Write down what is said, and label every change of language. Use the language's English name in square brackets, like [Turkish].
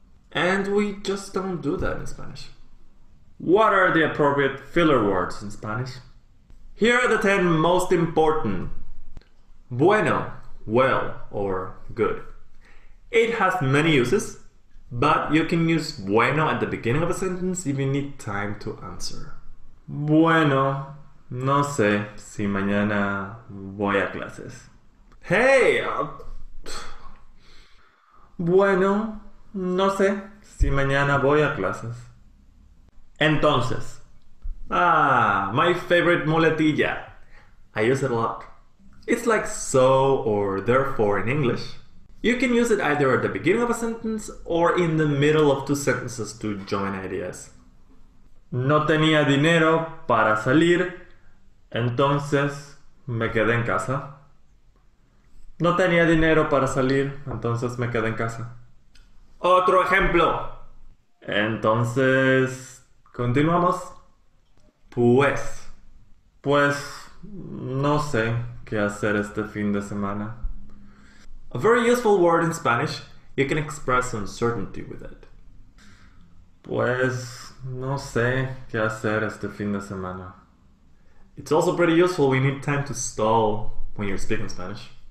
[English] And we just don't do that in Spanish. What are the appropriate filler words in Spanish? Here are the 10 most important. Bueno, well, or good. It has many uses, but you can use bueno at the beginning of a sentence if you need time to answer. [Spanish] Bueno, no sé si mañana voy a clases. Hey! Bueno, no sé si mañana voy a clases. [English] Entonces. Ah, my favorite muletilla. I use it a lot. It's like so or therefore in English. You can use it either at the beginning of a sentence or in the middle of two sentences to join ideas. [Spanish] No tenía dinero para salir, entonces me quedé en casa. No tenía dinero para salir, entonces me quedé en casa. Otro ejemplo. Entonces, continuamos. Pues. Pues, no sé qué hacer este fin de semana. [English] A very useful word in Spanish, you can express uncertainty with it. [Spanish] Pues, no sé qué hacer este fin de semana. [English] It's also pretty useful when you need time to stall when you're speaking Spanish.